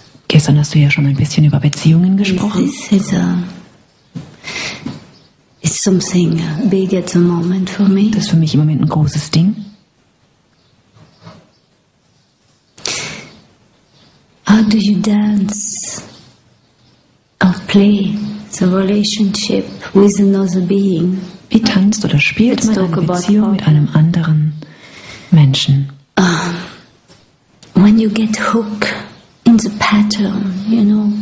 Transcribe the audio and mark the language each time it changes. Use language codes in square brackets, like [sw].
[de] Gestern hast du ja schon ein bisschen über Beziehungen gesprochen. [en] It's something big at the moment for me. [de] Das ist für mich im Moment ein großes Ding. [en] How do you dance or play the relationship with another being? [de] Wie tanzt oder spielt man eine Beziehung mit einem anderen Menschen? [en] When you get hooked in the pattern, you know.